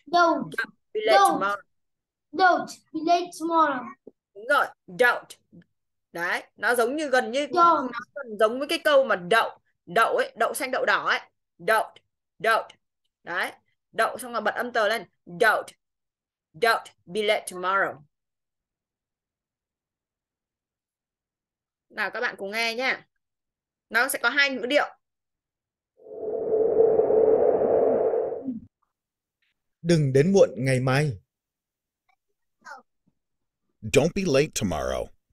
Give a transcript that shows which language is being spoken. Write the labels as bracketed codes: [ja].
[en] Don't. don't be late Don't. tomorrow. Don't be late [vi] Đúng rồi, [en] don't. [vi] Đấy, nó giống như gần như, nó [en] tomorrow. [vi] gần giống với cái câu mà đậu, đậu ấy, đậu xanh, đậu đỏ ấy. [en] Don't, don't. [vi] Đấy, đậu xong rồi bật âm tờ lên. [en] Don't, don't be late tomorrow. [vi] Nào các bạn cùng nghe nhé. Nó sẽ có hai ngữ điệu. Đừng đến muộn ngày mai. [en] Don't be late tomorrow.